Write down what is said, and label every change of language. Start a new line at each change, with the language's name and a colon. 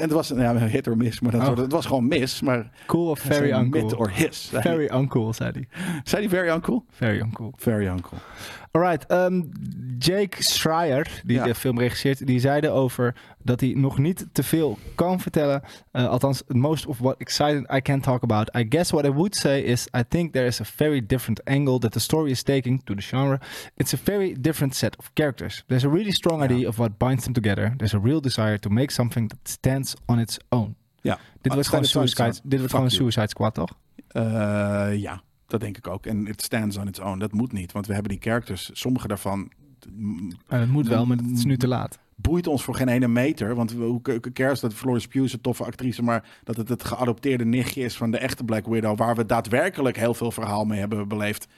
Dutch: Het was
English: hit or miss.
Dutch: Maar het was gewoon miss. Maar
English: cool of very uncool. Mit or his. Very uncool,
Dutch: zei hij. Zei hij
English: very uncool? Very uncool. Very uncool.
Dutch: Alright, Jake Schreier, die de film regisseert, die zei erover dat hij nog niet te veel kan vertellen.
English: Althans, most of what excited I can talk about. I guess what I would say is, I think there is a very different angle that the story is taking to the genre. It's a very different set of characters. There's a really strong idea of what binds them together. There's a real desire to make something that stands on its own.
Dutch: Ja. Dit was gewoon een Suicide Squad, toch? Ja. Dat denk ik ook. En
English: it stands on its own.
Dutch: Dat moet niet. Want we hebben die characters, sommige daarvan... Het moet wel, maar het is nu te laat. Boeit ons voor geen ene meter. Want hoe cares dat Florence Pugh is een toffe actrice, maar dat het geadopteerde nichtje is van de echte Black Widow, waar we daadwerkelijk heel veel verhaal mee hebben beleefd.